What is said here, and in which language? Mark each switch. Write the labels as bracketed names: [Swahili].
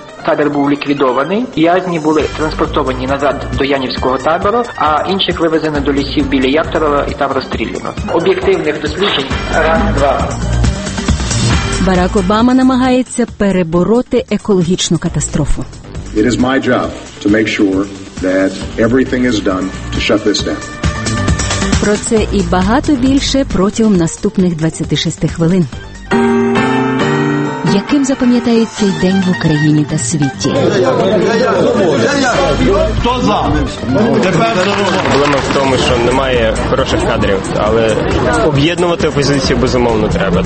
[Ukrainian] Табір був ліквідований, в'язні були транспортовані назад до Янівського табору, а інших вивезено до лісів біля Яторова і там розстріляно. Об'єктивних досліджень раз-два. Барак Обама намагається перебороти екологічну катастрофу. [English] It is my job to make sure that everything is done to shut this down. [Ukrainian] Про це і багато більше протягом наступних 26 хвилин. Яким запам'ятається цей день в Україні та світі? Хто за? Проблема в тому, що немає хороших кадрів, але об'єднувати опозицію безумовно треба.